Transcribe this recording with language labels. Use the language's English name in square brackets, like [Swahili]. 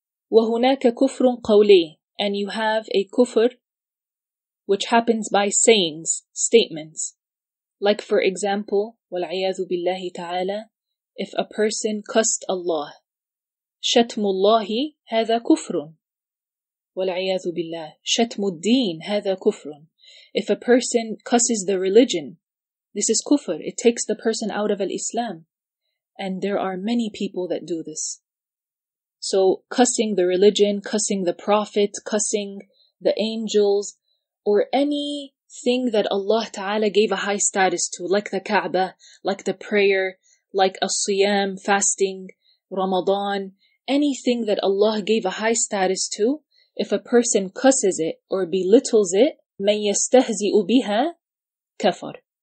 [Arabic] وهناك كفر قولي. [English] And you have a kufr which happens by sayings, statements. Like for example, [Arabic] والعياذ بالله تعالى, [English] if a person cussed Allah, [Arabic] شتم الله هذا كفر. والعياذ بالله, شتم الدين هذا كفر. [English] If a person cusses the religion, this is kufr. It takes the person out of al-Islam. And there are many people that do this. So cussing the religion, cussing the prophet, cussing the angels, or any thing that Allah Ta'ala gave a high status to, like the Kaaba, like the prayer, like as-siyam, fasting, Ramadan, anything that Allah gave a high status to, if a person cusses it or belittles it, [Arabic] مَنْ يَسْتَهْزِئُ بِهَا كَفَرْ.